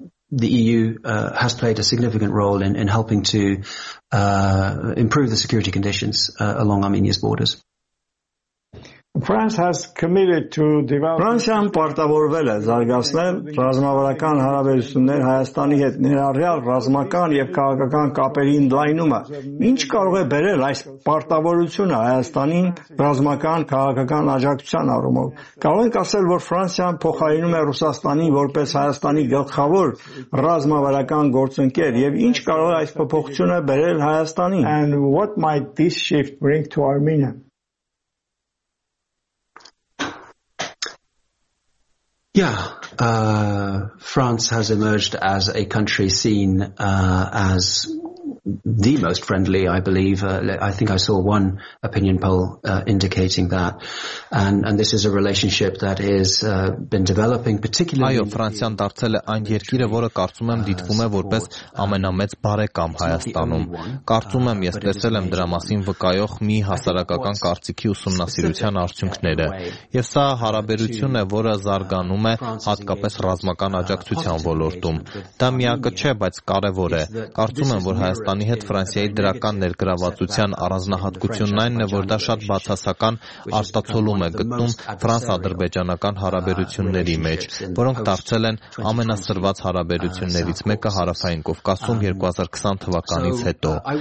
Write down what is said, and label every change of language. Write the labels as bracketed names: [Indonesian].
[English] The EU has played a significant role in helping to improve the security conditions along Armenia's borders. France has committed to develop [Armenian] Ռուսիան պարտավորվել է զարգացնել ռազմավարական հարաբերություններ Հայաստանի հետ, ներառյալ ռազմական եւ քաղաքական կապերի ընդլայնումը։ Ինչ կարող է բերել այս պարտավորությունը Հայաստանին ռազմական քաղաքական աջակցության առումով։ Կարող ենք ասել, որ Ֆրանսիան փոխարինում է Ռուսաստանին որպես Հայաստանի գլխավոր ռազմավարական գործընկեր, եւ ինչ կարող է այս փոփոխությունը բերել Հայաստանին։ [English] And what might this shift bring to Armenia? Yeah, France has emerged as a country seen as the most friendly, I believe. I think I saw one opinion poll indicating that. And this is a relationship that has been developing particularly... [Armenian] Այո, Ֆրանսիան դարձել է այն երկիրը, որը կարծում եմ դիտվում է որպես ամենամեծ բարեկամ Հայաստանում։ Կարծում եմ, ես տեսել եմ դրա մասին վկայող մի հասարակական կարծիքի ուսումնասիրության արդյունքները, և սա հարաբերություն է, որը զարգանում է հատկապես ռազմական աջակցության ոլորտում։ Դա միակը չէ, բայց կարևոր է։ Կարծում եմ, որ Հայաստանի հետ Ֆրանսիայի դրական ներգրավվածության առանձնահատկությունն այն է, որ դա շատ բացասական արտացոլում է գտնում ֆրանս-ադրբեջանական հարաբերությունների մեջ, որոնք դարձել են ամենասրված հարաբերություններից մեկը Հարավային Կովկասում 2020 թվականից հետո։